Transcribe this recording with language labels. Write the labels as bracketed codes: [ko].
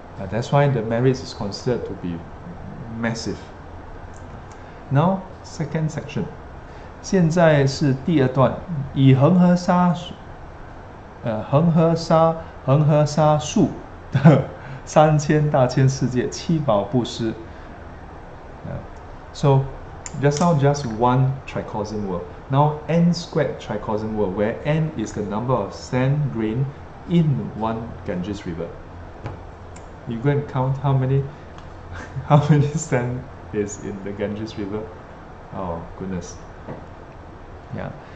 [en] That's why the merits is considered to be massive. Now, second section. [zh] 现在是第二段, 以恒河沙数的三千大千世界七宝布施. [en] So just now just one trichosium world, now n squared trichosium world, where n is the number of sand grain in one Ganges River. You go and count how many sand is in the Ganges River. Oh goodness. Yeah.